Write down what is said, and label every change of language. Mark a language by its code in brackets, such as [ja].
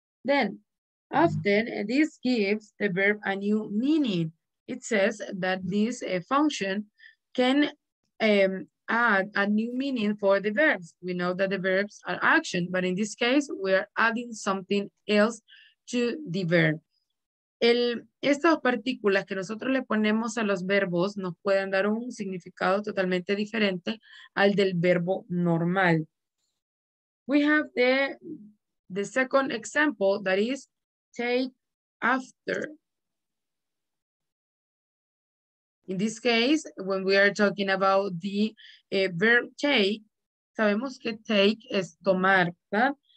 [en] Then, often, this gives the verb a new meaning. It says that this function can add a new meaning for the verbs. We know that the verbs are action, but in this case, we're adding something else to the verb. [es] Estas partículas que nosotros le ponemos a los verbos nos pueden dar un significado totalmente diferente al del verbo normal. [en] We have the second example, that is take after. In this case, when we are talking about the verb take, [es] sabemos que take es tomar, ¿verdad?